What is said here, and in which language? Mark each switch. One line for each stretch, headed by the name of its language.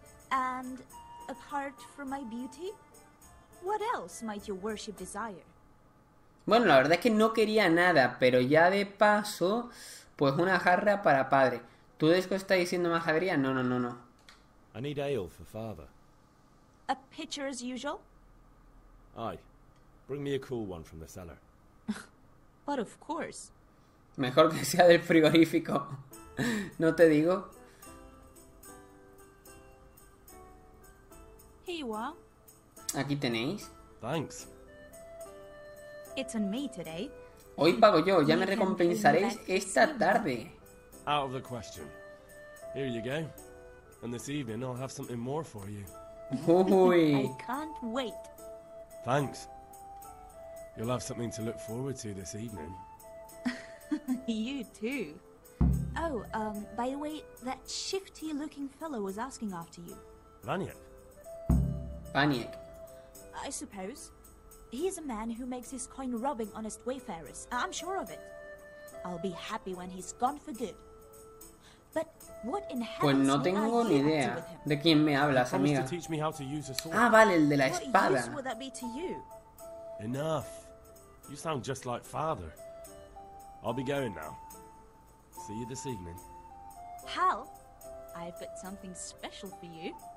English: And apart from my beauty, what else might your worship desire?
Spanish: Bueno, la verdad es que no quería nada, pero ya de paso, pues una jarra para padre. ¿Tú de esto estás diciendo majadería? No.
English: I need ale for father. A pitcher as usual? Aye. Bring me a cool one from the cellar. But of course.
Spanish: Mejor que sea del frigorífico. No te digo.
English: Here you are.
Spanish: Aquí tenéis.
English: Thanks. It's on me today.
Spanish: Hoy pago yo, ya me recompensaréis esta tarde.
English: Out of the question. Here you go. And this evening I'll have something more for you. Uy. I can't wait. Thanks. You'll have something to look forward to this evening. You too. Oh, by the way, that shifty looking fellow was asking after you. Vaniek. I suppose. He is a man who makes his coin robbing honest wayfarers. I'm sure of it. I'll be happy when he's gone for good. But what in hell?
Spanish: Pues no tengo ni idea de quién me hablas, amiga.
English: Teach me how to use a sword.
Spanish: Ah, vale, el de la espada.
English: What use would that be to you? Enough. You sound just like father. I'll be going now. See you this evening. Hal, I've got something special for you.